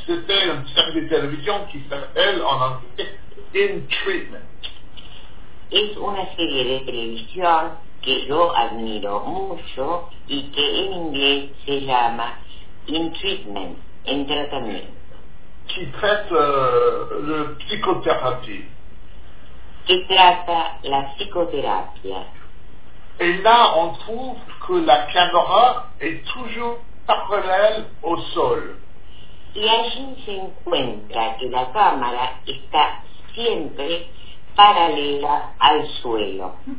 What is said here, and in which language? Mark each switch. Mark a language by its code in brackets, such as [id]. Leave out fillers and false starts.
[fr] C'était une série de télévision qui s'appelle en anglais In Treatment. [es] Es una serie de televisión que yo admiro mucho y que en inglés se llama In Treatment, en tratamiento. [fr] Qui traite le psychothérapie. [es] Que trata la psicoterapia. [fr] Et là, on trouve que la caméra est toujours parallèle au sol. [es] Y allí se encuentra que la cámara está siempre paralela al suelo.